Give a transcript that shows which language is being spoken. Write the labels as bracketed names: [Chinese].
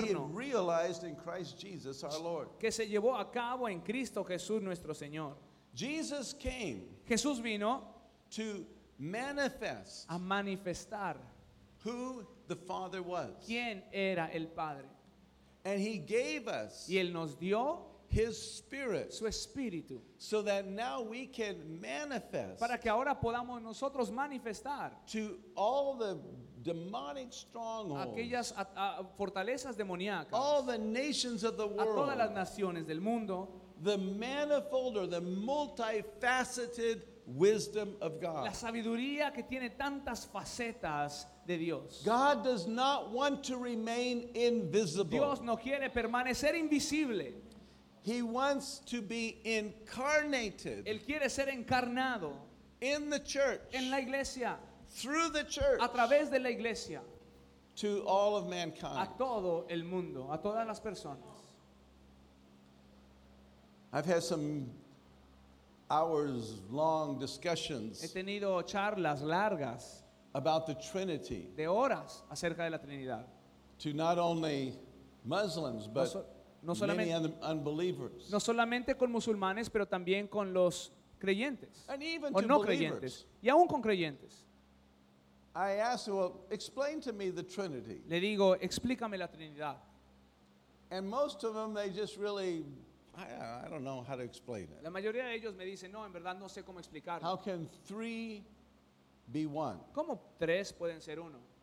[English] That he realized in Christ Jesus our Lord. [Spanish] Que se llevó a cabo en Cristo Jesús nuestro Señor. [English] Jesus came. [Spanish] Jesús vino [English] to manifest. [Spanish] A manifestar. [English] Who the Father was. [Spanish] ¿Quién era el Padre? [English] And he gave us [Spanish] y él nos dio [English] his spirit [Spanish] su espíritu, [English] so that now we can manifest [Spanish] para que ahora podamos nosotros manifestar [English] to all the demonic strongholds, [Spanish] aquellas fortalezas demoníacas, [English] all the nations of the world, [Spanish] a todas las naciones del mundo, [English] the manifold or the multifaceted wisdom of God. [Spanish] La sabiduría que tiene tantas facetas de Dios. [English] God does not want to remain invisible. [Spanish] Dios no quiere permanecer invisible. [English] He wants to be incarnated. [Spanish] Él quiere ser encarnado. [English] In the church. [Spanish] En la iglesia. [English] Through the church. [Spanish] A través de la iglesia. [English] To all of mankind. [Spanish] A todo el mundo, a todas las personas. [English] I've had some hours long discussions. [Spanish] He tenido charlas largas [English] about the Trinity. [Spanish] De horas acerca de la Trinidad. [English] To not only Muslims but [Spanish] no solamente, [English] many unbelievers. [Spanish] No solamente con musulmanes, pero también con los creyentes. [English] And even [Spanish] o [English] to [Spanish] no [English] believers. [Spanish] Y aún con creyentes. [English] I asked him, well, explain to me the Trinity. [Spanish] Le digo, explícame la Trinidad. [English] And most of them they just really I don't know how to explain it. [Spanish] La mayoría de ellos me dicen, no, en verdad no sé cómo explicarlo. [English] How can three be one? [Spanish] ¿Cómo tres pueden ser uno?